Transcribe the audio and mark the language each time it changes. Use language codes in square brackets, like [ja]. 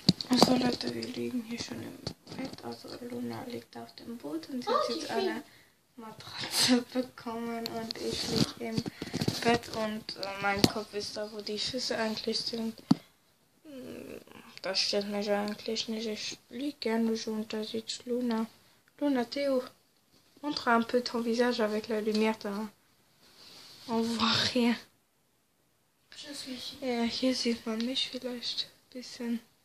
[de] Also Leute, wir liegen hier schon im Bett. Also Luna liegt auf dem Boden. Sie hat jetzt eine Matratze bekommen und ich liege im Bett und mein Kopf ist da, wo die Füße eigentlich sind. Das stört mich eigentlich nicht. Ich liege gerne so und da sitzt Luna. [fr] Luna, Theo, montre un peu ton visage avec la lumière. Da. On voit rien. Je suis ici. [de] Ja, hier sieht man mich vielleicht ein bisschen.